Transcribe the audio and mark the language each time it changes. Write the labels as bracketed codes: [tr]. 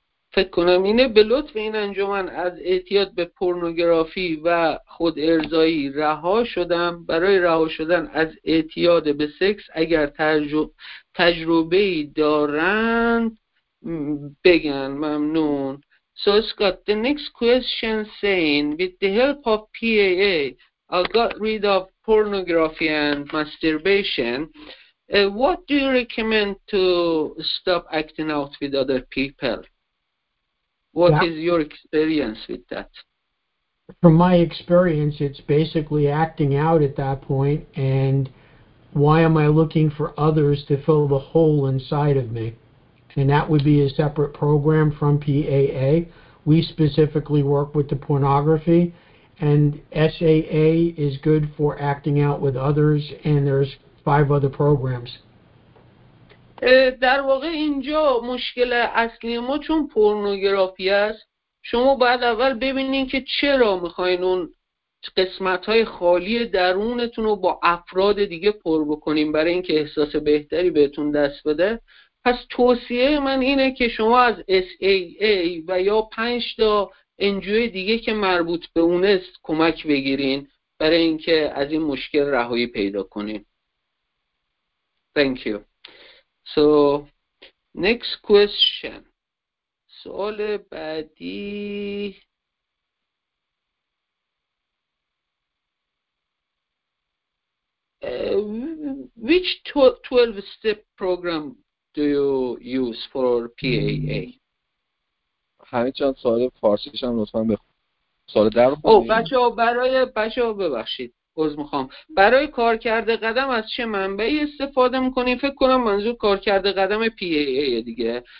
[fa] فکر کنم اینه به لطف این انجمن از اعتیاد به پورنوگرافی و خود ارضایی رها شدم برای رها شدن از اعتیاد به سکس اگر تجربه‌ای دارند بگن ممنون [en] So Scott, the next question saying with the help of PAA I got rid of pornography and masturbation what do you recommend to stop acting out with other people? What is your experience with that? From my experience, it's basically acting out at that point, and why am I looking for others to fill the hole inside of me? And that would be a separate program from PAA. We specifically work with the pornography, and SAA is good for acting out with others, and there's 5 other programs. [fa] در واقع اینجا مشکل اصلی ما چون پورنوگرافی است شما باید اول ببینین که چرا میخواین اون قسمت‌های خالی درونتون رو با افراد دیگه پر بکنین برای اینکه احساس بهتری بهتون دست بده پس توصیه من اینه که شما از SAA و یا 5 تا NGO دیگه که مربوط به اون است کمک بگیرین برای اینکه از این مشکل رهایی پیدا کنین [en] Thank you So, next question. [fa] سوال بعدی. Uh, [en] which 12-step program do you use for PAA? [fa] همینجان سوال فارسیش هم لطفاً بخونم. سوال در بچه ها برای بچه ها ببخشید. عذر میخوام. برای کارکرد قدم از چه منبعی استفاده میکنیم؟ فکر کنم منظور کارکرد قدم PAA دیگه.